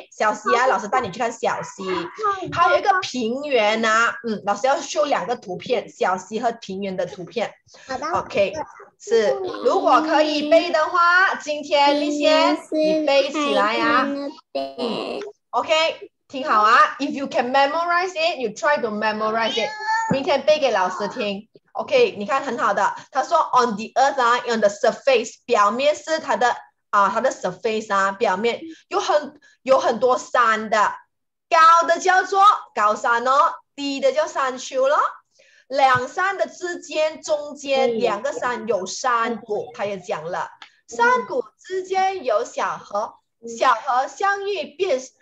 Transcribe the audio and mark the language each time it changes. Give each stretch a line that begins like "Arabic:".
Chinese: 小溪啊，老师带你去看小溪。还有一个平原啊，嗯，老师要秀两个图片，小溪和平原的图片。好的。 OK， 是，如果可以背的话，今天你先你背起来啊。 OK。听好啊
English: ，If you can memorize it, you try to memorize it.
Chinese: 明天背给老师听。OK， 你看很好的。他说 ，
English: On the earth
Chinese: 啊 ，
English: on the surface，
Chinese: 表面是它的啊，它的 surface 啊，表面有很多山的，高的叫做高山哦，低的叫山丘咯。两山的之间，中间两个山有山谷，他也讲了，山谷之间有小河，小河相遇变。